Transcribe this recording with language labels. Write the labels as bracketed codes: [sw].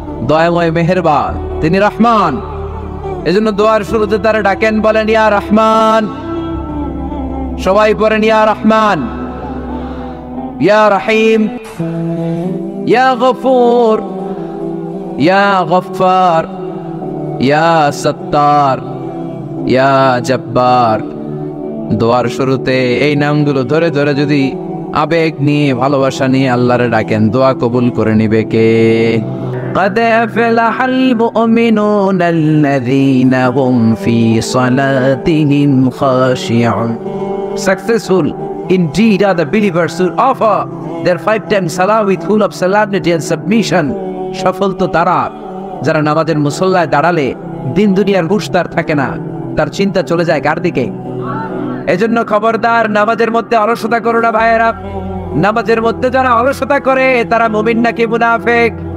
[bn] দয়াময় মেহেরবান, তিনি রহমান, এজন্য দোয়ার শুরুতে তারে ডাকেন, বলেন ইয়া রহমান, সবাই পড়েন ইয়া রহমান, ইয়া রহিম, ইয়া গফুর, ইয়া গফফার, ইয়া সত্তার, ইয়া জব্বার। দোয়ার শুরুতে এই নামগুলো ধরে ধরে যদি আবেগ নিয়ে ভালোবাসা নিয়ে আল্লাহরে ডাকেন, দোয়া কবুল করে নিবে কে? [ar] قد أفلح المؤمنون الذين هم في صلاتهم خاشعون. [en] Successful indeed are the believers who offer their five times salah with full of solemnity and submission. [bn] সফল তো তারা যারা নামাজের মুসল্লায় দাঁড়ালে দিন দুনিয়ার হুঁশ তার থাকে না, তার চিন্তা চলে যায় কার দিকে। এজন্য খবরদার, নামাজের মধ্যে অলসতা করো না ভাইয়েরা। নামাজের মধ্যে যারা অলসতা করে তারা মুমিন নাকি মুনাফিক?